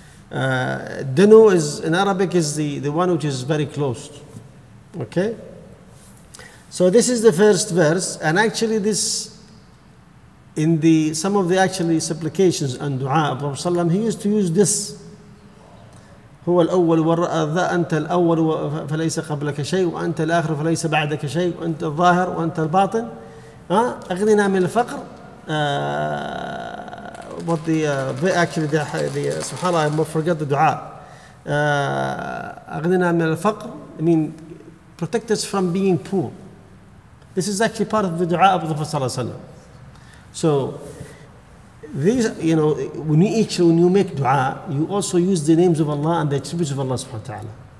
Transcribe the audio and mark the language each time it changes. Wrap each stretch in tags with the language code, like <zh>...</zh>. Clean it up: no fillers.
<en>Dunu is in Arabic is the one which is very close. Okay. So this is the first verse, and actually this. In the some of the actually supplications and du'a of Prophet ﷺ, he used to use this.</en> <ar>هو الأول والذا أنت الأول فليس قبلك شيء وأنت الآخر فليس بعدك شيء وأنت الظاهر وأنت الباطن. أغنينا من الفقر.</ar> <en>What the actually the subhanAllah, I forgot the du'a.</en> <ar>أغنينا من الفقر.</ar> <en>I mean, protect us from being poor. This is actually part of the du'a of the Prophet ﷺ. So, these, you know, when you make dua, you also use the names of Allah and the attributes of Allah subhanahu wa ta'ala.</en>